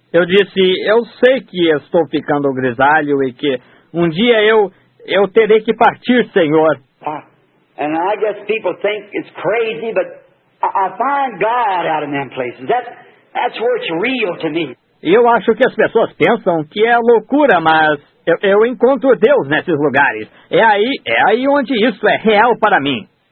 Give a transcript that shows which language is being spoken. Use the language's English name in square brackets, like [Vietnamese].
[Portuguese] Eu disse, eu sei que estou ficando grisalho e que um dia eu terei que partir, Senhor. [English] And I guess people think it's crazy, but I find God out in them places. That's where it's real to me. [Portuguese] Eu acho que as pessoas pensam que é loucura, mas eu encontro Deus nesses lugares. É aí onde isso é real para mim.